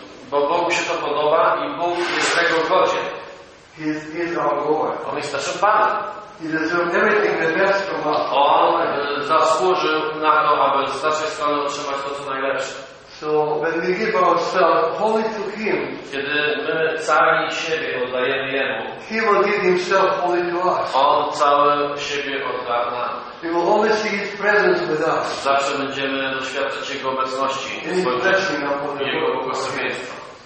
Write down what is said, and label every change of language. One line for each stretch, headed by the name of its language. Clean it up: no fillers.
Polish: Bo Bogu się to podoba i Bóg jest tego godzien.
English: He is our Lord.
Polish: On jest naszym Panem.
English: He deserves everything the best from us.
Polish: On zasłużył na to, aby z naszej strony otrzymać to, co najlepsze.
English: So when we give ourselves wholly to Him,
Polish: kiedy my cały siebie oddajemy Jemu,
English: He will give Himself wholly to us.
Polish: On cały siebie odda nam.
English: We will always see His presence with us.
Polish: Zawsze będziemy doświadczać Jego obecności, Jego błogosławieństwa.